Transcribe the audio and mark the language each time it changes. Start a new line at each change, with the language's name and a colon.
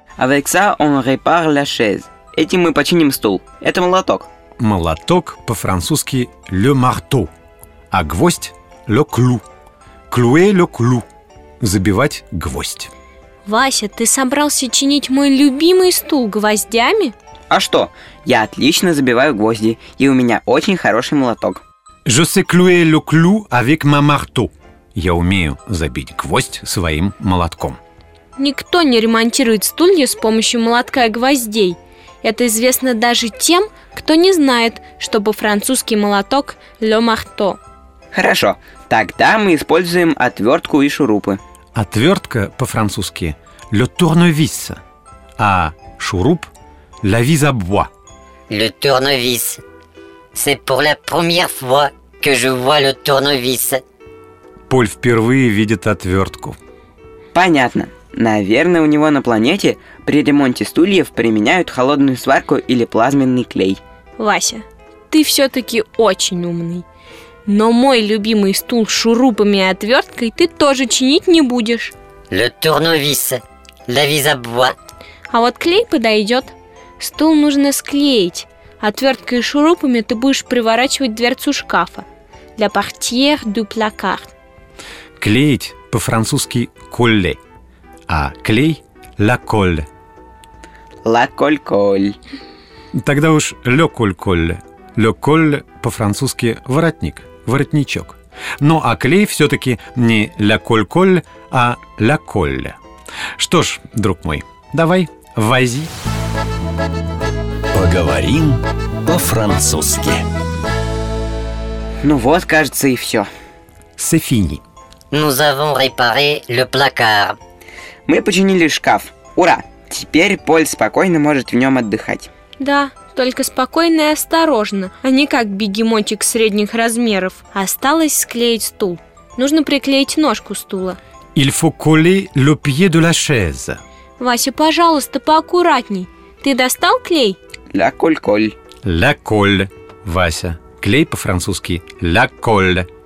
French: Avec ça on répare la chaise.
Russian: Этим мы починим стул. Это молоток. Молоток по-французски le marteau, а гвоздь le clou.
French: Clouer le clou.
Russian: Забивать гвоздь. Вася, ты собрался чинить мой любимый стул гвоздями? А что? Я отлично забиваю гвозди, и у меня очень хороший молоток.
French: Je sais clouer le clou avec mon marteau.
Russian: Я умею забить гвоздь своим молотком. Никто не ремонтирует стулья с помощью молотка и гвоздей. Это известно даже тем, кто не знает, что по-французский молоток le marteau. Хорошо, тогда мы используем отвертку и шурупы. Отвертка по-французски le tournevis, а шуруп la vis à bois.
French: Le tournevis. C'est pour la première fois que je vois le tournevis.
Russian: Поль впервые видит отвертку. Понятно. Наверное, у него на планете при ремонте стульев применяют холодную сварку или плазменный клей. Вася, ты все-таки очень умный. Но мой любимый стул с шурупами и отверткой ты тоже чинить не будешь.
French: Le tournevis. La vis à bois.
Russian: А вот клей подойдет. Стул нужно склеить. Отверткой и шурупами ты будешь приворачивать дверцу шкафа.
French: La portière du placard.
Russian: Клеить по-французски coller, а клей la colle.
French: La colle colle.
Russian: Тогда уж
French: le colle colle.
Russian: Le colle по-французски воротник, воротничок. Ну а клей все-таки не la colle colle, а la colle. Что ж, друг мой, давай, вози. Поговорим по-французски. Ну вот, кажется, и все.
French: C'est fini. Nous avons réparé le placard.
Russian: Мы починили шкаф. Ура! Теперь Поль спокойно может в нем отдыхать. Да, только спокойно и осторожно, а не как бегемотик средних размеров. Осталось склеить стул. Нужно приклеить ножку стула.
French: Il faut coller le pied de la chaise.
Russian: Вася, пожалуйста, поаккуратней. Ты достал клей?
French: La colle-colle. La colle, Вася.
Russian: Клей по-французски la colle.